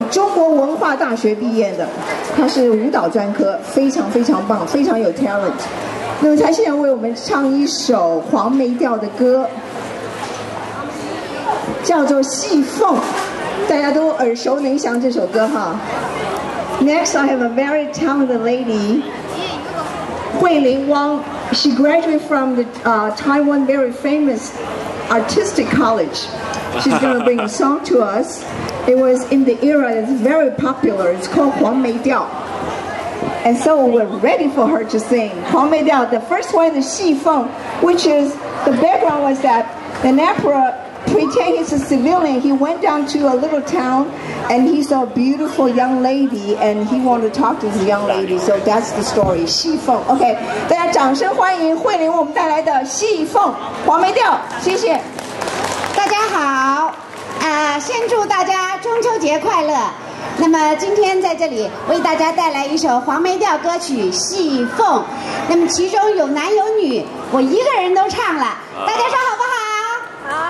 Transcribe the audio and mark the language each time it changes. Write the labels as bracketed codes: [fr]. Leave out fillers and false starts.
[zh] 中国文化大学毕业的，他是舞蹈专科，非常非常棒，非常有 talent。那么他现在为我们唱一首黄梅调的歌，叫做《戏凤》，大家都耳熟能详这首歌哈。 [en] Next I have a very talented lady， 惠玲汪。 She graduated from the、Taiwan very famous artistic college. She's going to bring a song to us. It was in the era that's very popular. It's called 黄梅调. And so we're ready for her to sing 黄梅调. The first one is 戏凤, which is the background was that the emperor pretend he's a civilian. He went down to a little town and he saw a beautiful young lady and he wanted to talk to the young lady. So that's the story. 戏凤. [zh] Okay, 大家掌声欢迎慧玲为我们带来的戏凤黄梅调。谢谢。大家好，先祝大家中秋节快乐。那么今天在这里为大家带来一首黄梅调歌曲《戏凤》，那么其中有男有女，我一个人都唱了，大家说好不好？